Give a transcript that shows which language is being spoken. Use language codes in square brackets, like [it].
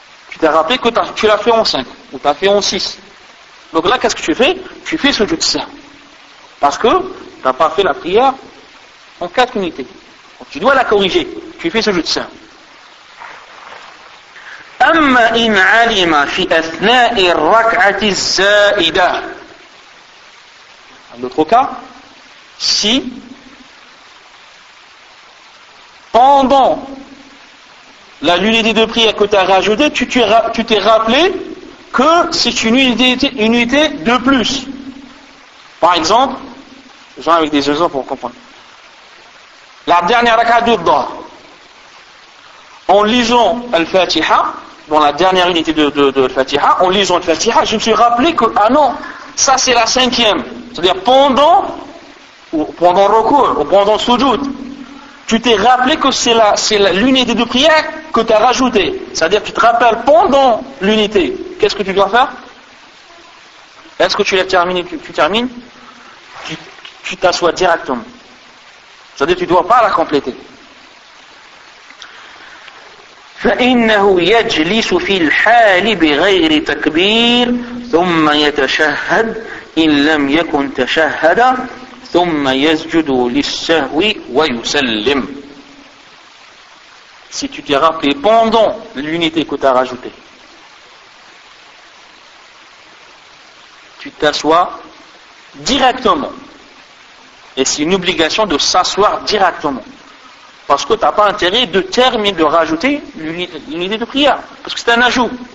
[fr] Tu t'es rappelé que tu l'as fait en 5, ou tu l'as fait en 6. Donc là, qu'est-ce que tu fais? Tu fais ce jutsu. Parce que tu n'as pas fait la prière en 4 unités. Donc tu dois la corriger. Tu fais ce jutsu. [ar] أما إن علم في أثناء الركعة الزائدة. [fr] Un autre cas, si pendant la unité de prière que tu as rajoutée, tu t'es rappelé que c'est une unité de plus. Par exemple, je vais avec des exemples pour comprendre. La dernière raka du dha, en lisant Al-Fatiha, dans la dernière unité de Al-Fatiha, en lisant Al-Fatiha, je me suis rappelé que, ah non, ça c'est la cinquième. C'est-à-dire pendant recours, ou pendant sujoud, tu t'es rappelé que c'est l'unité de prière que tu as rajoutée. C'est-à-dire tu te rappelles pendant l'unité. Qu'est-ce que tu dois faire? Est-ce que tu l'as terminé? Tu termines? Tu t'assois directement. C'est-à-dire tu ne dois pas la compléter. [ar] فإنه يجلس في الحال بغير تكبير ثم يتشهد إن لم يكن تشهد ثم يسجد للسهو ويسلم. [fr] Si tu t'es rappelé pendant l'unité que tu as rajouté, tu t'assois directement. Et c'est une obligation de s'asseoir directement. Parce que tu n'as pas intérêt de terminer, de rajouter l'unité de prière. Parce que c'est un ajout.